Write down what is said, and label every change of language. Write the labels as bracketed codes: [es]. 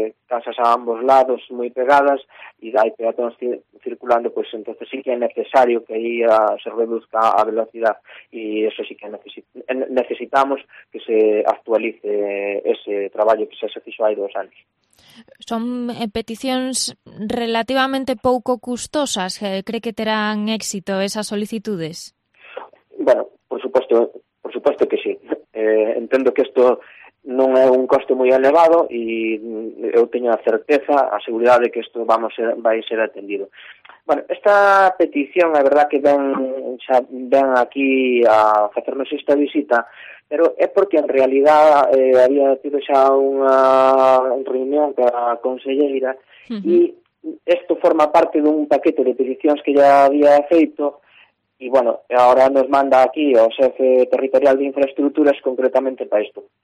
[gl] casas a ambos lados moi pegadas e hai peatóns circulando, pues entonces sí que é necesario que aí se reduzca a velocidade e eso sí que necesitamos que se actualice ese traballo que se fixo hai 2 anos. Son peticións relativamente pouco custosas. [es] Cree que terán éxito esas solicitudes? Bueno, por supuesto que sí. [gl] Entendo que isto non é un costo moi elevado e eu teño a certeza, a seguridade de que isto vai ser atendido. Bueno, esta petición, a verdad que ven aquí a facernos esta visita, pero é porque en realidad había tido xa unha reunión con a conselleira e isto forma parte dun paquete de peticións que ya había feito e, bueno, [es] ahora nos manda [gl] aquí ao xefe territorial de infraestructuras concretamente para isto.